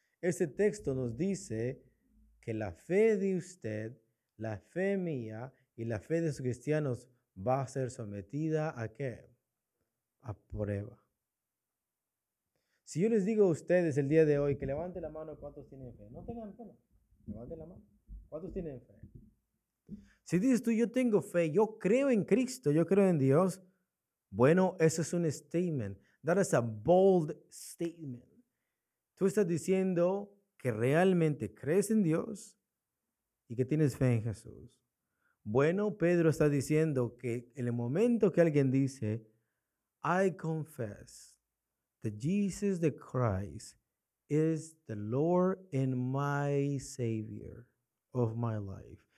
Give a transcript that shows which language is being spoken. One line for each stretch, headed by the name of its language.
Spanish: Este texto nos dice que la fe de usted, la fe mía y la fe de sus cristianos va a ser sometida ¿a qué? A prueba. Si yo les digo a ustedes el día de hoy que levanten la mano, ¿cuántos tienen fe? No tengan pena, levanten la mano. ¿Cuántos tienen fe? Si dices tú, yo tengo fe, yo creo en Cristo, yo creo en Dios. Bueno, eso es un statement.
English: That is a bold statement.
Spanish: Tú estás diciendo que realmente crees en Dios y que tienes fe en Jesús. Bueno, Pedro está diciendo que en el momento que alguien dice,
English: I confess that Jesus the Christ is the Lord and my Savior of my life.